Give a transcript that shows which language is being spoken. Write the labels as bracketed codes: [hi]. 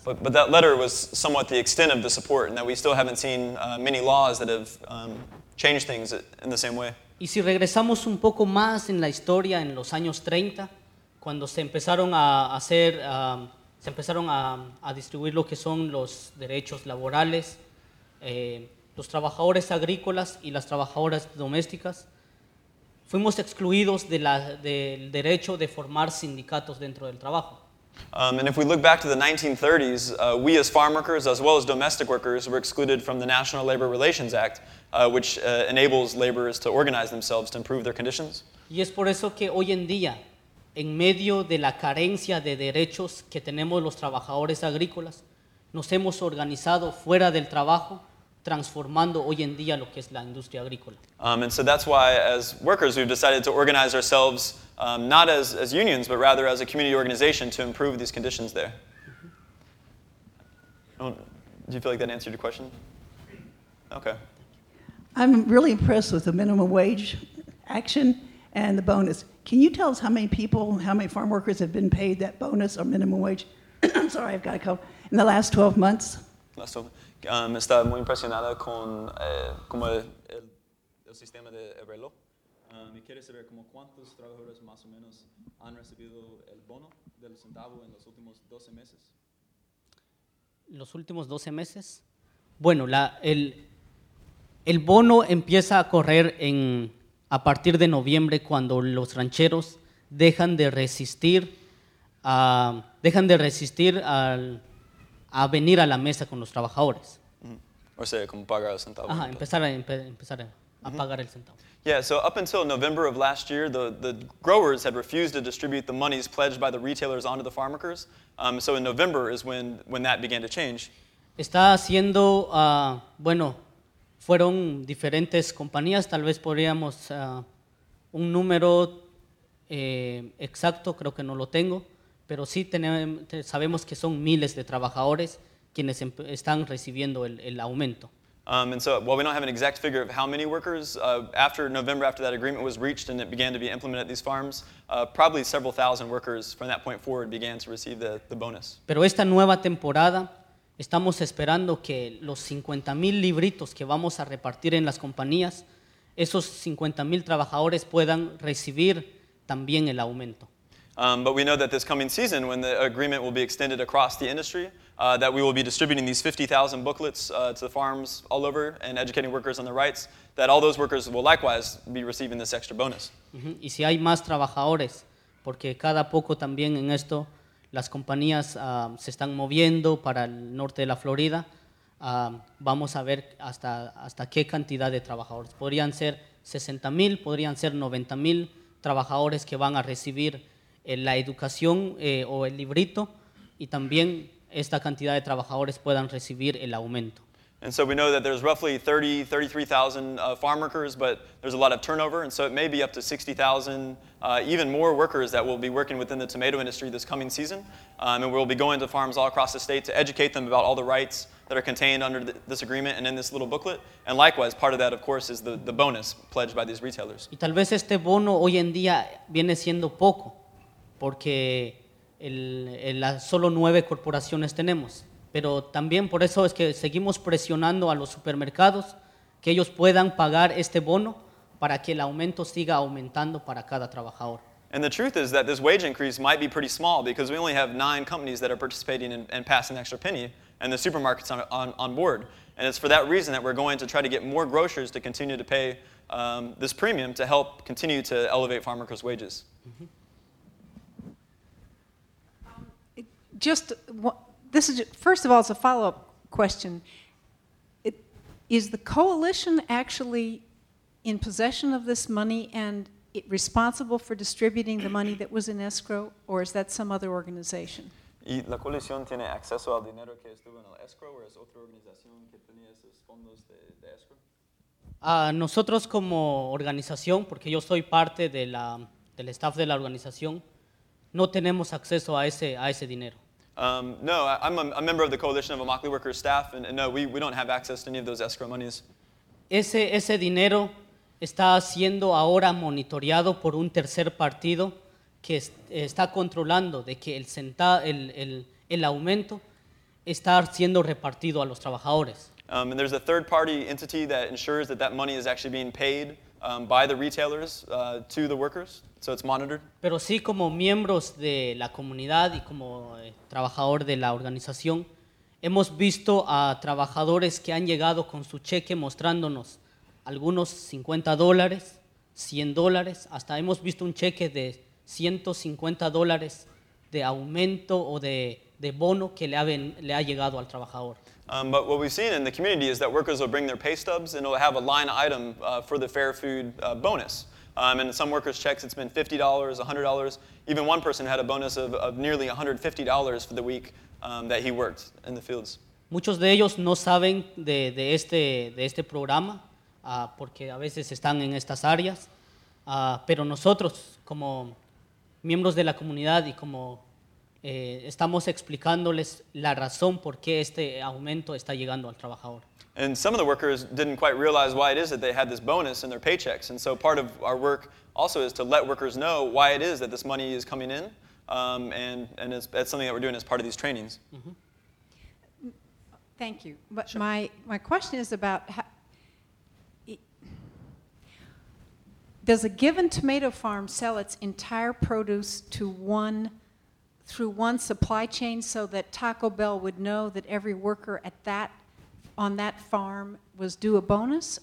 [en] But that letter was somewhat the extent of the support, and that we still haven't seen many laws that have changed things in the same way. [es] Y si regresamos un poco más en la historia, en los años 30, cuando se empezaron a hacer, se empezaron a distribuir lo que son los derechos laborales, los trabajadores agrícolas y las trabajadoras domésticas, fuimos excluidos del derecho de formar sindicatos dentro del trabajo. [en] And if we look back to the 1930s, we as farm workers as well as domestic workers were excluded from the National Labor Relations Act, which enables laborers to organize themselves to improve their conditions. [es] Y es por eso que hoy en día, en medio de la carencia de derechos que tenemos los trabajadores agrícolas, nos hemos organizado fuera del trabajo, transformando hoy en día lo que es la industria agrícola. [en] And so that's why, as workers, we've decided to organize ourselves not as unions, but rather as a community organization to improve these conditions there. Mm-hmm. Do you feel like that answered your question? Okay. I'm really impressed with the minimum wage action and the bonus. Can you tell us how many people, how many farm workers have been paid that bonus or minimum wage? I'm sorry, I've got to cough. In the last 12 months? [es] Está muy impresionada con como el sistema de el reloj. ¿Me quieres saber como cuántos trabajadores más o menos han recibido el bono del centavo en los últimos 12 meses? ¿Los últimos 12 meses? Bueno, el bono empieza a correr a partir de noviembre, cuando los rancheros dejan de resistir a venir a la mesa con los trabajadores. O sea, como pagar el centavo. Ajá, empezar a pagar el centavo. [en] Yeah, so up until November of last year, the growers had refused to distribute the monies pledged by the retailers onto the farm workers. So in November is when that began to change. [es] Está haciendo, bueno, fueron diferentes compañías, tal vez podríamos un número exacto, creo que no lo tengo, pero sí sabemos que son miles de trabajadores quienes están recibiendo el aumento. [en] And so, well, we don't have an exact figure of how many workers, after November, after that agreement was reached and it began to be implemented at these farms, probably several thousand workers from that point forward began to receive the bonus. [es] Pero esta nueva temporada, estamos esperando que los 50,000 libritos que vamos a repartir en las compañías, esos 50,000 trabajadores puedan recibir también el aumento. [en] But we know that this coming season, when the agreement will be extended across the industry, that we will be distributing these 50,000 booklets to the farms all over and educating workers on their rights, that all those workers will likewise be receiving this extra bonus. Mm-hmm. [es] Y si hay más trabajadores, porque cada poco también en esto las compañías se están moviendo para el norte de la Florida, vamos a ver hasta qué cantidad de trabajadores. Podrían ser 60,000, podrían ser 90,000 trabajadores que van a recibir la educación o el librito, y también esta cantidad de trabajadores puedan recibir el aumento. [en] And so we know that there's roughly 33,000 farm workers, but there's a lot of turnover, and so it may be up to 60,000, even more workers that will be working within the tomato industry this coming season. And we'll be going to farms all across the state to educate them about all the rights that are contained under this agreement and in this little booklet. And likewise, part of that, of course, is the bonus pledged by these retailers. [es] Y tal vez este bono hoy en día viene siendo poco, porque solo 9 corporaciones tenemos. Pero también por eso es que seguimos presionando a los supermercados que ellos puedan pagar este bono para que el aumento siga aumentando para cada trabajador. [en] And the truth is that this wage increase might be pretty small because we only have 9 companies that are participating and passing extra penny, and the supermarkets on board. And it's for that reason that we're going to try to get more grocers to continue to pay this premium to help continue to elevate farm workers' wages. First of all, it's a follow-up question. Is the coalition actually in possession of this money and responsible for distributing the money that was in escrow, or is that some other organization? [es] ¿Y la coalición tiene acceso al dinero que estuvo en el escrow, o es otra organización que tenía esos fondos de escrow? Nosotros como organización, porque yo soy parte del staff de la organización, no tenemos acceso a ese dinero. [en] No, I'm a member of the Coalition of Immokalee Workers staff, and no, we don't have access to any of those escrow monies. [es] Ese dinero está siendo ahora monitoreado por un tercer partido que está controlando de que el aumento está siendo repartido a los trabajadores. [en] And there's a third party entity that ensures that money is actually being paid by the retailers to the workers, so it's monitored. [es] Pero sí, como miembros de la comunidad y como trabajador de la organización, hemos visto a trabajadores que han llegado con su cheque mostrándonos algunos $50, $100, hasta hemos visto un cheque de $150 de aumento o de bono que le ha llegado al trabajador. [en] But what we've seen in the community is that workers will bring their pay stubs and it'll have a line item for the fair food bonus. And in some workers' checks, it's been $50, $100. Even one person had a bonus of nearly $150 for the week that he worked in the fields. [es] Muchos de ellos no saben de este programa porque a veces están en estas áreas. Pero nosotros, como miembros de la comunidad y como estamos explicándoles la razón por qué este aumento está llegando al trabajador. [en] And some of the workers didn't quite realize why it is that they had this bonus in their paychecks. And so part of our work also is to let workers know why it is that this money is coming in. And it's something that we're doing as part of these trainings. Mm-hmm. Thank you. But sure. My question is about does a given tomato farm sell its entire produce to one through one supply chain so that Taco Bell would know that every worker at that on that farm was due a bonus?